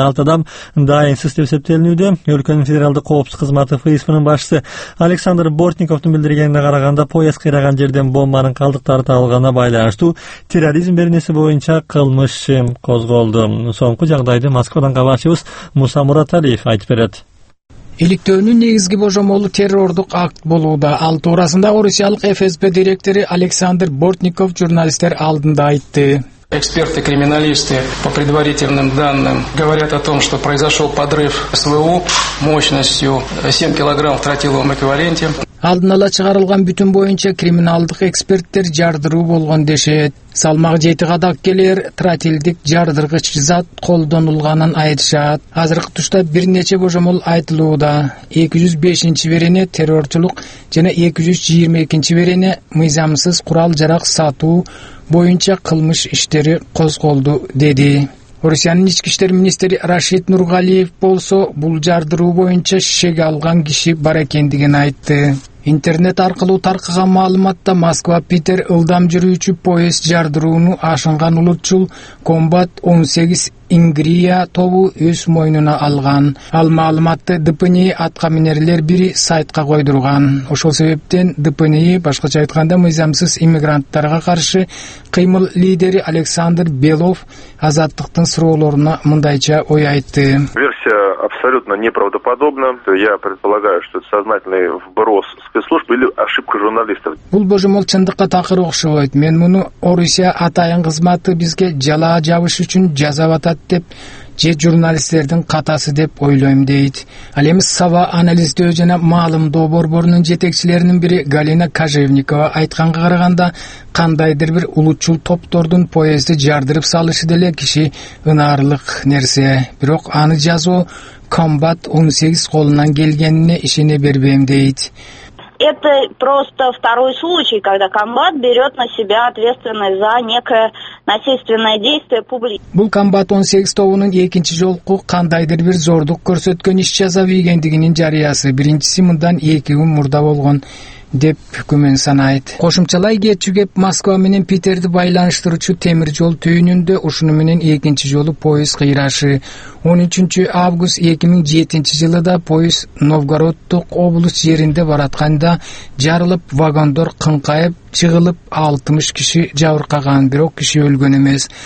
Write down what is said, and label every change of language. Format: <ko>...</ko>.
<ky>6 адам дайынсыз деп эсептелинүүдө. Өлкөнүн федералдык коопсуздук кызматы ФСБнын башчысы Александр Бортниковдун билдиргенине караганда поезд кыйраган жерден бомбанын калдыктары табылганына байланыштуу терроризм беренеси боюнча кылмыш козголду. Жагдайды Москвадан кабарчыбыз Муса Мураталиев айтып берет. Иликтөөнүн негизги божомолу террордук акт болууда. Ал туурасында орусиялык ФСБ директору Александр Бортников журналисттер алдында айтты.</ky> <ru>Эксперты-криминалисты по предварительным данным говорят о том, что произошел подрыв СВУ мощностью 7 килограмм в тротиловом эквиваленте.</ru> <ky>Алдын ала чыгарылган бүтүн боюнча криминалдык эксперттер жардыруу болгон дешет. Салмагы 7 кадак келер тротилдик жардыргыч зат колдонулганын айтышат. Азыркы тушта бир нече божомол айтылууда. 205-чи верене террорчулук жана 222-чи верене мыйзамсыз курал жарак сатуу боюнча кылмыш иштери козголду деди. Орусиянын ички иштер министри Рашид Нургалиев болсо, бул жардыруу боюнча шек алган киши бар экендигин айтты. Интернет аркылуу таркыган маалыматта Москва-Питер ылдам жүрүүчү поезд жардырууну ашынган улутчул Комбат 18 Ингрия тобу өз мойнуна алган. Ал маалыматты ДПНИ аткаминерлер бири сайтка койдурган. Ошол себептен ДПНИ, башкача айтканда мыйзамсыз иммигранттарга каршы кыймыл лидери Александр Белов азаттыктын суроолоруна мындайча ой айтты.</ky> <ru>Абсолютно неправдоподобно. Я предполагаю, что это сознательный вброс спецслужб или ошибка журналистов.</ru> <ky>Бул божомол чындыкка такыр окшойт. Мен муну Орусия атайын кызматы бизге жалаа жабыш үчүн жазап атат деп же журналисттердин катасы деп ойлойм дейт. Ал эми Сава анализдөө жана маалымдоо борборунун жетекчилеринин бири Галина Кажевникова айтканга караганда кандайдыр бир улутчул топтордун поезди жардырып салышы деле киши ынаарлык нерсе. Бирок аны жазуу Комбат 18 колунан келгенине ишене бербейм дейт.</ky> <ru>Это просто второй случай, когда комбат берет на себя ответственность за некое насильственное действие публики.</ru> <ky>Бул комбат 18 тобунун экинчи жолку кандайдыр бир зордук көрсөткөн иш жаза бийгендигинин жарыясы. Биринчиси мындан 2 күн мурда болгон. Деп күмөн санайт. Кошумчалай кетүүгеп Москва менен Питерди байланыштыруучу темир жол түйүнүндө ушуну менен экинчи жолу поезд кыйрашы 13 август 2007 жылы да поезд Новгородтук облус жеринде баратканда жарылып вагондор кыңкайып чыгылып 60 киши жабыркаган бирок киши өлгөн эмес.</ky>